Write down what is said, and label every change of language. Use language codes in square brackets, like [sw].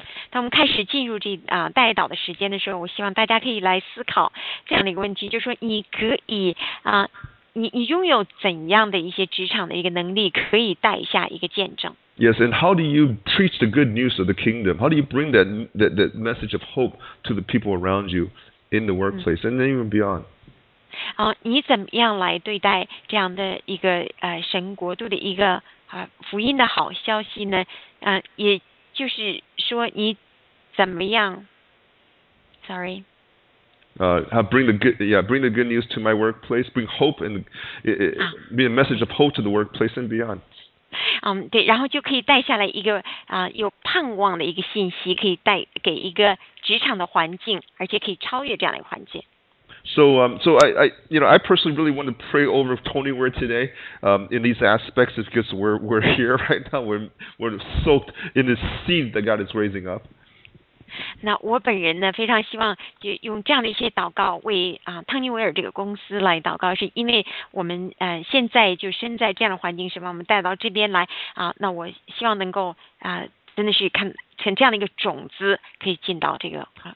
[zh] 当我们开始进入这代祷的时间的时候，我希望大家可以来思考这样的一个问题，就是说你可以你拥有怎样的一些职场的一个能力，可以带下一个见证。 [en] Yes, and how do you preach the good news of the kingdom? How do you bring that message of hope to the people around you in the workplace and then even beyond? [zh] 你怎么样来对待这样的一个神国度的一个福音的好消息呢？也就是说你怎么样 ？ [en] Sorry. Bring the good news to my workplace. Bring hope and be a message of hope to the workplace and beyond. [zh] 对，然后就可以带下来一个有盼望的一个信息，可以带给一个职场的环境，而且可以超越这样的一个环境。 [en] So I personally really want to pray over Tony Ware today in these aspects because we're here right now. We're soaked in this seed that God is raising up. [zh] 那我本人呢，非常希望就用这样的一些祷告为汤尼维尔这个公司来祷告，是因为我们现在就身在这样的环境，是把我们带到这边来那我希望能够真的是看成这样的一个种子，可以进到这个。